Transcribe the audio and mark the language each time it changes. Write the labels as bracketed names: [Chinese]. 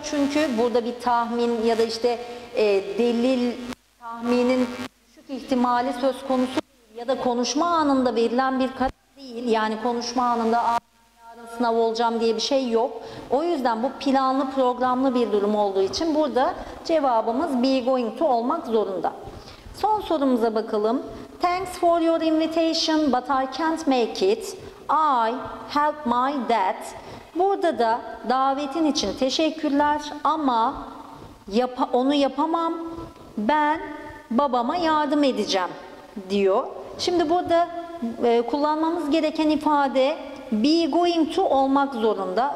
[Turkish] Çünkü burada bir tahmin ya da işte delil tahminin ihtimali söz konusu değil. Ya da konuşma anında verilen bir karar değil. Yani konuşma anında yarın sınav olacağım diye bir şey yok. O yüzden bu planlı programlı bir durum olduğu için burada cevabımız be going to olmak zorunda. Son sorumuza bakalım. [English] Thanks for your invitation but I can't make it. I help my dad. [Turkish] Burada da davetin için teşekkürler ama onu yapamam. Ben babama yardım edeceğim diyor. Şimdi burada kullanmamız gereken ifade be going to olmak zorunda.